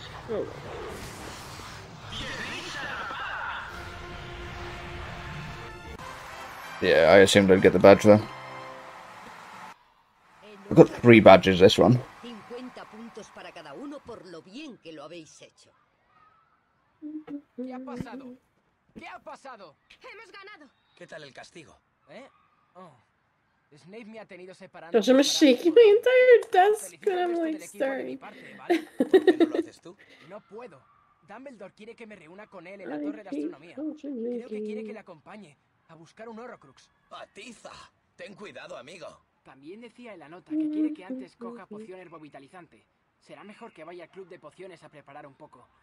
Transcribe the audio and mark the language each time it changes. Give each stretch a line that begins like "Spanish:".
English: Oh. Yeah, I assumed I'd get the badge though. I've got 3 badges this one.
Spanish: 50 puntos para cada uno por lo bien que lo habéis hecho. ¿Qué ha pasado? ¿Qué ha pasado? Hemos ganado. ¿Qué tal el castigo? ¿Eh? Oh. Snape me ha tenido separando.
English: I'm shaking my entire desk when I'm like starting.
Spanish: ¿Por qué no lo haces tú? No puedo. Dumbledore quiere que me reúna con él en la Torre de Astronomía. Creo que quiere que le acompañe. A buscar un Horrocrux. Patiza, ten cuidado, amigo. También decía en la nota que quiere que antes coja poción herbovitalizante. Será mejor que vaya al club de pociones a preparar un poco.